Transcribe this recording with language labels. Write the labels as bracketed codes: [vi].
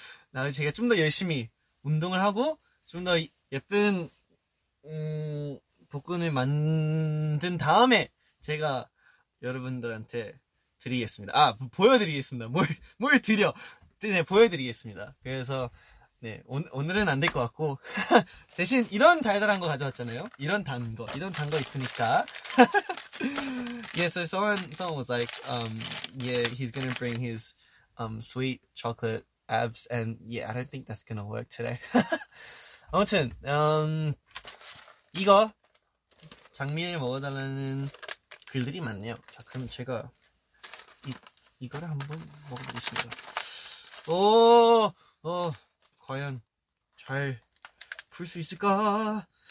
[ko] 나중에 제가 좀더 열심히 운동을 하고, 좀더 예쁜, 복근을 만든 다음에, 제가 여러분들한테 드리겠습니다. 아, 보여드리겠습니다. 뭘 드려. 네, 보여드리겠습니다. 그래서, 네, 오늘은 안될것 같고, 대신 이런 달달한 거 가져왔잖아요? 이런 단거 있으니까. [en] Yeah, so someone was like, yeah, he's gonna bring his sweet chocolate abs, and yeah, I don't think that's gonna work today. [ko] 아무튼, 이거, 장미를 먹어달라는 글들이 많네요. 자, 그럼 제가 이거를 한번 먹어보겠습니다. 과연 잘풀수 있을까?